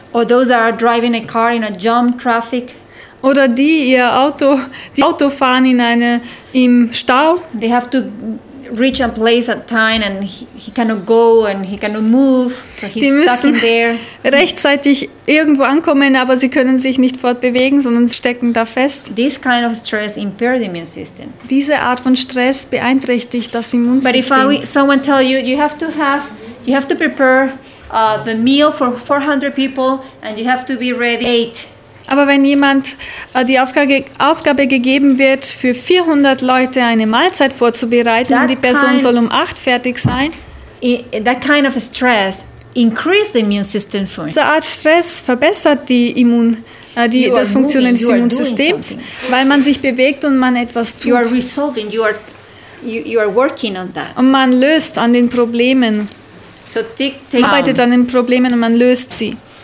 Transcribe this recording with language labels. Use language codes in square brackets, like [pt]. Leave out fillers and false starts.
[en] Or those that are driving a car in a jam traffic. [de] Oder die ihr Auto, die Auto fahren in eine im Stau. [en] They have to reach a place at time and he cannot go and he cannot move, so he's [de] die müssen [en] stuck in there. [de] Rechtzeitig irgendwo ankommen, aber sie können sich nicht fortbewegen, sondern stecken da fest. [en] This kind of stress impairs the immune system. [de] Diese Art von Stress beeinträchtigt das Immunsystem. [en] But if someone tell you, you have to prepare the meal for 400 people and you have to be ready 8. [de] Aber wenn jemand die Aufgabe gegeben wird, für 400 Leute eine Mahlzeit vorzubereiten, und die Person soll um 8 fertig sein, [en] that kind of stress increases the immune system for you. [de] Diese Art Stress verbessert das Funktionieren des Immunsystems, weil man sich bewegt und man etwas tut. [en] You are resolving, you are working on that. [de] Und man löst an den Problemen. [en] So [de] arbeitet an den Problemen und man löst sie.